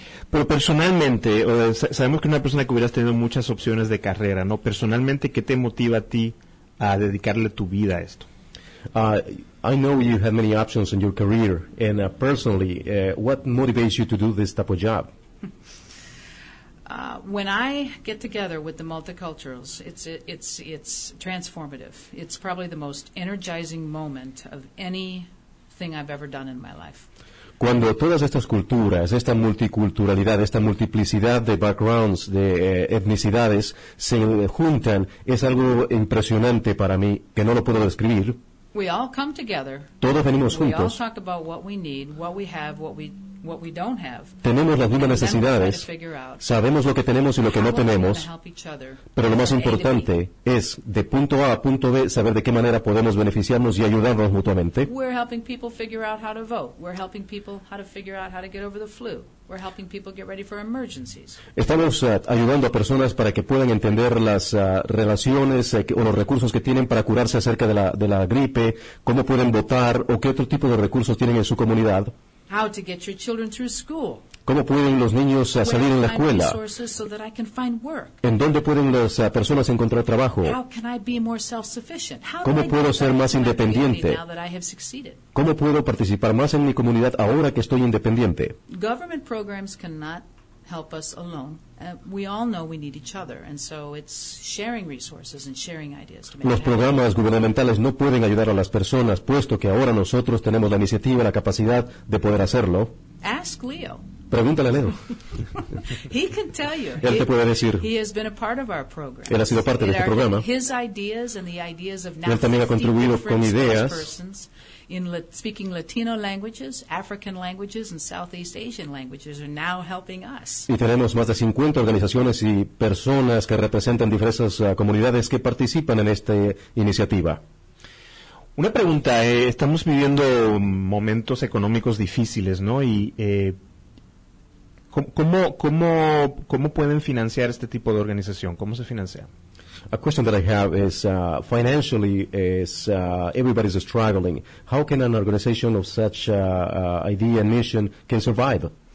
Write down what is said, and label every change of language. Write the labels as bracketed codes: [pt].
[es] Pero personalmente, sabemos que una persona que hubieras tenido muchas opciones de carrera, ¿no? Personalmente, ¿qué te motiva a ti a dedicarle tu vida a esto? [en] I know you have many options in your career, and personally, what motivates you to do this type of job? When I get together with the multiculturals, it's transformative. It's probably the most energizing moment of anything I've ever done in my life. [es] Cuando todas estas culturas, esta multiculturalidad, esta multiplicidad de backgrounds, de etnicidades, se juntan, es algo impresionante para mí, que no lo puedo describir. [en] We all come together. [es] Todos venimos juntos. [en] We all talk about what we need, what we have, what we don't have. [es] Tenemos las mismas necesidades. Sabemos lo que tenemos y lo que no tenemos. Pero lo más importante es, de punto A a punto B, saber de qué manera podemos beneficiarnos y ayudarnos mutuamente. [en] We're helping people figure out how to vote. We're helping people how to figure out how to get over the flu. We're helping people get ready for emergencies. [es] Estamos ayudando a personas para que puedan entender las relaciones o los recursos que tienen para curarse acerca de la gripe, cómo pueden votar o qué otro tipo de recursos tienen en su comunidad. [en] How to get your children through school. [es] ¿Cómo pueden los niños salir en la escuela? [en] So that I can find work. [es] ¿En dónde pueden las personas encontrar trabajo? [en] How can I be more self-sufficient? How [es] ¿Cómo [en] I [es] puedo ser más independiente? [en] Now that I have succeeded? [es] ¿Cómo puedo participar más en mi comunidad ahora que estoy independiente? [en] Government programs cannot help us alone. We all know we need each other, and so it's sharing resources and sharing ideas. [es] Los programas gubernamentales no pueden ayudar a las personas, puesto que ahora nosotros tenemos la iniciativa, la capacidad de poder hacerlo. [en] Ask Leo. [es] Pregúntale a Leo. [en] He can tell you. [es] Él te puede decir. [en] He has been a part of our program. [es] Él ha sido parte de este programa. [en] His ideas and the ideas of [es] él también ha contribuido con ideas. [en] Speaking Latino languages, African languages, and Southeast Asian languages are now helping us. [es] Y tenemos más de 50 organizaciones y personas que representan diversas comunidades que participan en esta iniciativa. Una pregunta, estamos viviendo momentos económicos difíciles, ¿no? Y ¿cómo pueden financiar este tipo de organización? ¿Cómo se financia? [en] A question that I have is, financially, is everybody's struggling. How can an organization of such idea and mission can survive?